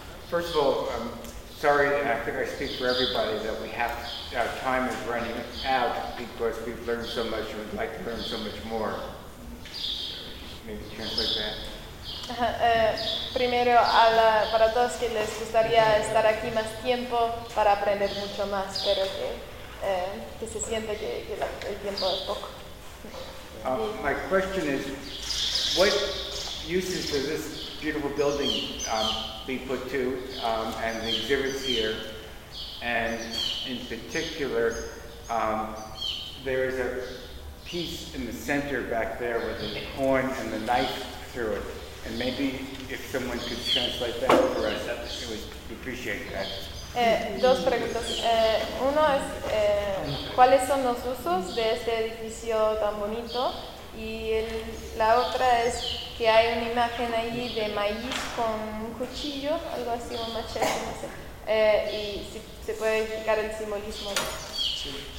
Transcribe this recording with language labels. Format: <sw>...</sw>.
<en>First of all, I'm sorry, and I think I speak for everybody, that we have, our time is running out because we've learned so much and would like to learn so much more. Maybe translate that.</en> <es>Primero, para todos que les gustaría estar aquí más tiempo para aprender mucho más, pero que se siente que el tiempo es poco.</es> <en>My question is, what uses does this beautiful building be put to, and the exhibits here, and in particular, there is a piece in the center back there with the horn and the knife through it. And maybe if someone could translate that for us, we would appreciate that.</en> <es>Dos preguntas. Uno es, ¿cuáles son los usos de este edificio tan bonito? Y la otra es que hay una imagen ahí de maíz con un cuchillo, algo así, un machete, no sé. Y si se puede explicar el simbolismo. Sí.</es>